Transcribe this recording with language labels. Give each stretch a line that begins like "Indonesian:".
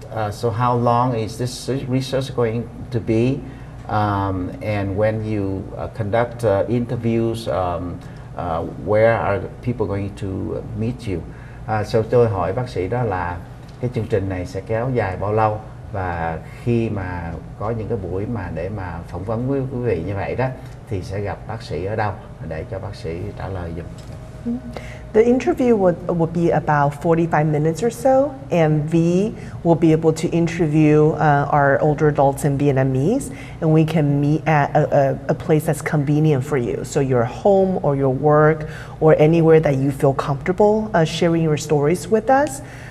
English: So how long is this research going to be? And when you conduct interviews, where are people going to meet you?
Vietnamese: So tôi hỏi bác sĩ đó là cái chương trình này sẽ kéo dài bao lâu, và khi mà có những cái buổi mà để mà phỏng vấn với quý vị như vậy đó, thì sẽ gặp bác sĩ ở đâu, để cho bác sĩ trả lời giùm.
English: The interview would be about 45 minutes or so, and V will be able to interview our older adults in Vietnamese, and we can meet at a place that's convenient for you. So your home or your work or anywhere that you feel comfortable sharing your stories with us.